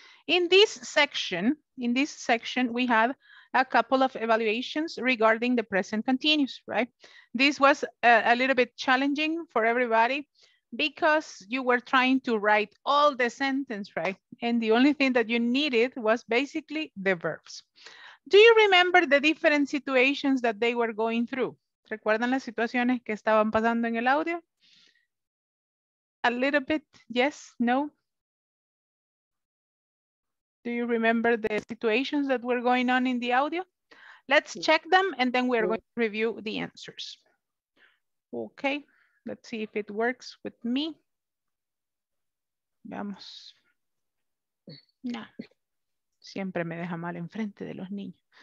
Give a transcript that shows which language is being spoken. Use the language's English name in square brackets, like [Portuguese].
[English] In this section, we had a couple of evaluations regarding the present continuous, right? This was a little bit challenging for everybody because you were trying to write all the sentence, right? And the only thing that you needed was basically the verbs. Do you remember the different situations that they were going through? [Spanish] ¿Recuerdan las situaciones que estaban pasando en el audio? [English] A little bit, yes, no? Do you remember the situations that were going on in the audio? Let's check them and then we're going to review the answers. Okay, let's see if it works with me. [Spanish] Vamos. No. Siempre me deja mal enfrente de los niños.